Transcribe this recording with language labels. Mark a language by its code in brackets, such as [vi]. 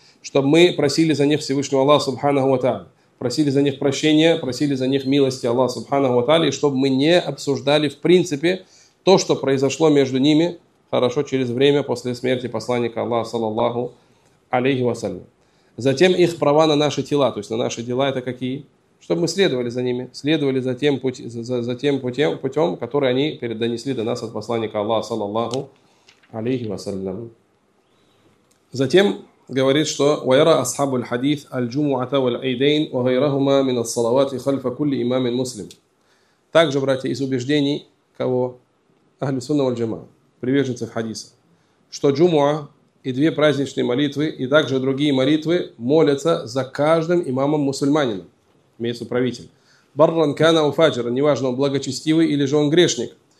[ru] Чтобы мы просили за них Всевышнего Аллаха Субханаху ва Тааля. Просили за них прощения, просили за них милости Аллаха Субханаху ва Тааля. И чтобы мы не обсуждали в принципе то, что произошло между ними, хорошо, через время после смерти посланника Аллаха, саллаллаху алейхи ва саллям. Затем их права на наши тела, то есть на наши дела это какие? Чтобы мы следовали за ними, следовали за тем, путем, который они донесли до нас от посланника Аллаха, саллаллаху алейхи ва саллям. Затем говорит, что [ar] وَيَرَى أَصْحَابُ الْحَدِيثِ الْجُمُعَةَ وَالْعَيْدَيْنِ وَغَيْرَهُمَا مِنَ الصَّلَوَاتِ خَلْفَ كُلِّ إِمَامٍ مُسْلِمٍ. [ru] Также, братья, из убеждений, кого? Ахли сунна валь джама, приверженцев хадиса, что джумуа и две праздничные молитвы, и также другие молитвы молятся за каждым имамом-мусульманином, имеется правитель. [ar] Барран кана у фаджира, [ru] неважно, он благочестивый или же он грешник.